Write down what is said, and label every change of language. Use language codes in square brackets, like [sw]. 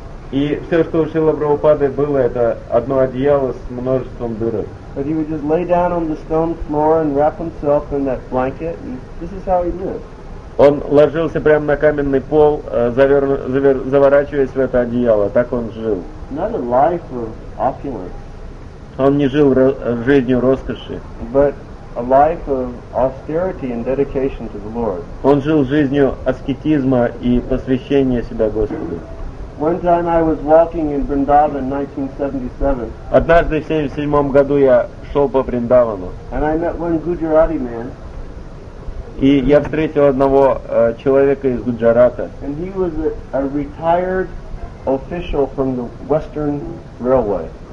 [ru] И все, что у Шрилы Прабхупады было, это одно одеяло с множеством дырок. [en] But he would just lay down on the stone floor and wrap himself in that blanket, and this is how he lived. [ru] Он ложился прямо на каменный пол, заворачиваясь в это одеяло. Так он жил. [en] Not a life of opulence. [ru] Он не жил жизнью роскоши. [en] But a life of austerity and dedication to the Lord. [ru] Он жил жизнью аскетизма и посвящения себя Господу. [en] One time I was walking in Vrindavan, 1977. [ru] Однажды в 77 году я шел по Вриндавану. [en] And I met one Gujarati man. [ru] И я встретил одного человека из Гуджарата. [en] And he was a retired official from the Western Railway.